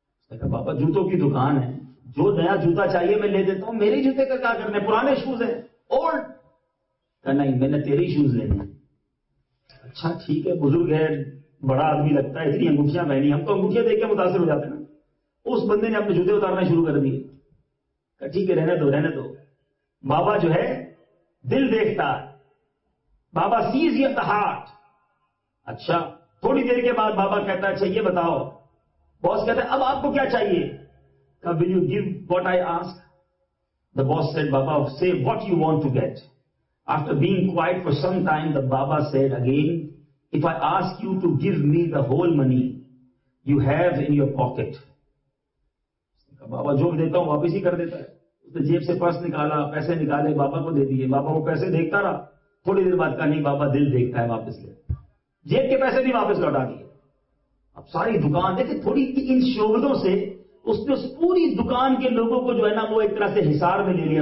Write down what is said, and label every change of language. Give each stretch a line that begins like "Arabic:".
Urdu: بابا جوتوں کی دکان ہے، جو نیا جوتا چاہیے میں لے دیتا ہوں، میرے جوتے کا کیا کرنا ہے، پرانے شوز ہیں اولڈ. کہ نہیں میں نے تیرے شوز لینے. اچھا ٹھیک ہے بزرگ ہے، بڑا آدمی لگتا ہے، اتنی انگوٹھیاں پہنی، ہم تو انگوٹھیاں دیکھ کے متاثر ہو جاتے ہیں نا. اس بندے نے اپنے جوتے اتارنا شروع کر دیے. کہ ٹھیک ہے رہنے دو رہنے دو. بابا جو ہے دل دیکھتا،
English: بابا says your heart.
Urdu: اچھا تھوڑی دیر کے بعد بابا کہتا ہے اچھا یہ بتاؤ. باس کہتا ہے اب آپ کو کیا چاہیے؟ کہ
English: Will you give what I ask? The boss said بابا say what you want to get. After being quiet for some time the بابا said again, if I ask you to give me the whole money you have in your pocket.
Urdu: بابا جو بھی دیتا ہوں واپس ہی کر دیتا ہے. اس نے جیب سے پرس نکالا، پیسے نکالے، بابا کو دے دیے. بابا وہ پیسے دیکھتا رہا، تھوڑی دیر بعد کہا نہیں بابا دل دیکھتا ہے واپس لے. جیب کے پیسے نہیں واپس لوٹا دیے. اب ساری دکان دیکھے، تھوڑی ان شوبدوں سے اس نے اس پوری دکان کے لوگوں کو جو ہے نا وہ ایک طرح سے حصار میں لے لیا.